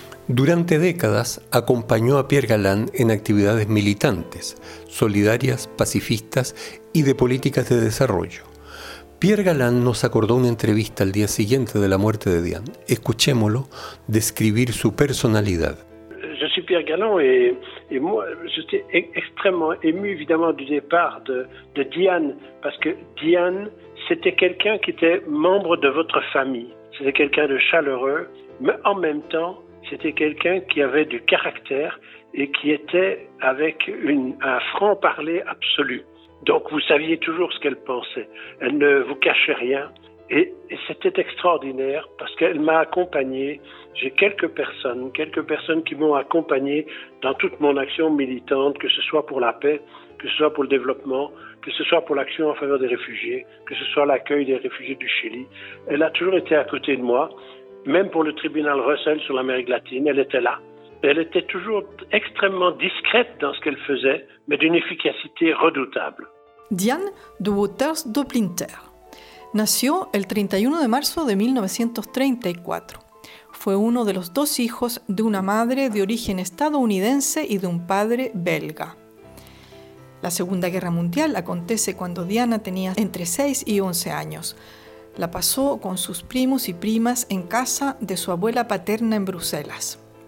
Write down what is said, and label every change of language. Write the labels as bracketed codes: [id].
[es] Durante décadas acompañó a Pierre Galland en actividades militantes, solidarias, pacifistas y de políticas de desarrollo. Pierre Galland nos acordó una entrevista al día siguiente de la muerte de Dionne. Escuchémoslo describir su personalidad. [fr] Je suis Pierre Galland et moi je suis extrêmement ému évidemment du départ de Dionne parce que Dionne c'était quelqu'un qui était membre de votre famille. C'était quelqu'un de chaleureux, mais en même temps c'était quelqu'un qui avait du caractère et qui était avec un franc-parler absolu. Donc vous saviez toujours ce qu'elle pensait. Elle ne vous cachait rien. Et c'était extraordinaire parce qu'elle m'a accompagné. J'ai quelques personnes qui m'ont accompagné dans toute mon action militante, que ce soit pour la paix, que ce soit pour le développement, que ce soit pour l'action en faveur des réfugiés, que ce soit l'accueil des réfugiés du Chili. Elle a toujours été à côté de moi. Même pour le tribunal Russell sur l'Amérique latine, elle était là. Elle était toujours extrêmement discrète dans ce qu'elle faisait, mais d'une efficacité redoutable. [es] Dionne de Wouters de Plinter. Nació el 31 de marzo de 1934. Fue uno de los dos hijos de una madre de origen estadounidense y de un padre belga. La Segunda Guerra Mundial acontece cuando Dionne tenía entre 6 y 11 años. La pasó con sus primos y primas en casa de su abuela paterna en Bruselas.